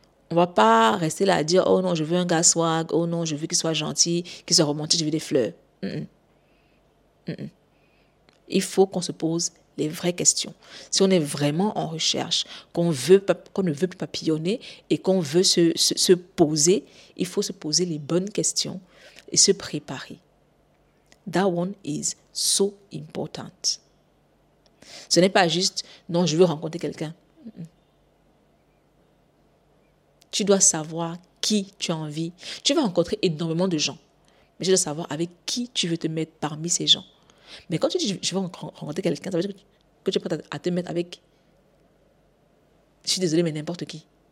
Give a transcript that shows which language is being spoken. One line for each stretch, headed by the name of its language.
French: On ne va pas rester là à dire « Oh non, je veux un gars swag. Oh non, je veux qu'il soit gentil, qu'il soit romantique, je veux des fleurs. » Il faut qu'on se pose les vraies questions. Si on est vraiment en recherche, qu'on ne veut plus papillonner et qu'on veut se poser, il faut se poser les bonnes questions et se préparer.
English: That one is so important.
French: Ce n'est pas juste, non, je veux rencontrer quelqu'un. Tu dois savoir qui tu as envie. Tu vas rencontrer énormément de gens, mais tu dois savoir avec qui tu veux te mettre parmi ces gens. Mais quand tu dis, je veux rencontrer quelqu'un, ça veut dire que tu es prêt à te mettre avec, je suis désolée, mais n'importe qui.